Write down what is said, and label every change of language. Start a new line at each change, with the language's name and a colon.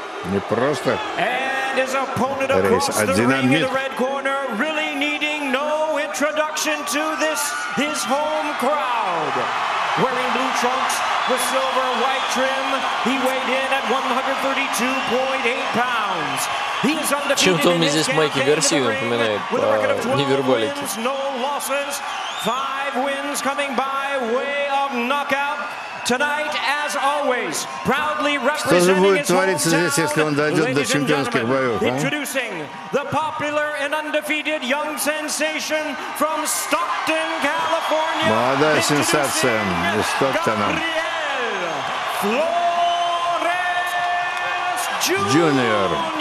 Russian: Не просто Рейс, а Динамит.
English: Really needing no introduction to this, his home crowd. Wearing blue trunks with silver white trim, he weighed in at 132.8 pounds. He is undefeated.
Russian: Чем-то мне здесь Майки Гарсию напоминает по невербалике.
English: No losses, five wins coming by way of knockout. Tonight, as always, proudly representing his hometown. Introducing the popular and undefeated young sensation from Stockton, California.
Russian: Молодая сенсация из Стоктона. Габриэль Флорес Джуниор.